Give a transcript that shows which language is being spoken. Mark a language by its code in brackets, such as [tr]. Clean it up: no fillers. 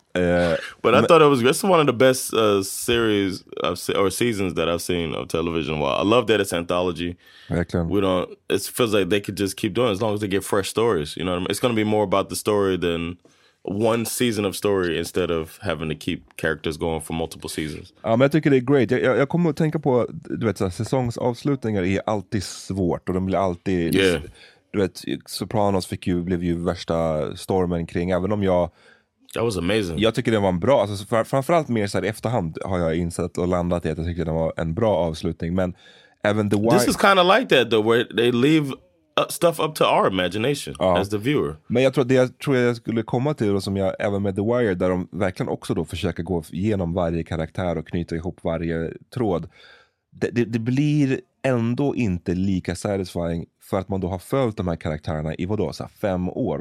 [en] But I thought it was, this is one of the best series I've seen, or seasons that I've seen of television. Well, I love that it's anthology. We don't, it feels like they could just keep doing it as long as they get fresh stories. You know what I mean? It's going to be more about the story than one season of story instead of having to keep characters going for multiple seasons. [sv] Men jag tycker det är great. Jag kommer att tänka på, du vet, säsongsavslutningar är alltid svårt och de blir alltid... [en] Yeah. [sv] Du vet, Sopranos fick ju, blev ju värsta stormen kring, även om jag... [en] That was amazing. [sv] Jag tycker det var en bra, alltså framförallt mer så här efterhand har jag insett och landat i att jag tycker det var en bra avslutning, men även The Wire... [en] This is kind of like that though, where they leave stuff up to our imagination as the viewer. [sv] Men jag tror, det jag tror jag skulle komma till då, som jag, även med The Wire, där de verkligen också då försöker gå igenom varje karaktär och knyta ihop varje tråd. Det blir ändå inte lika satisfying för att man då har följt de här karaktärerna i vadå, så här 5 år.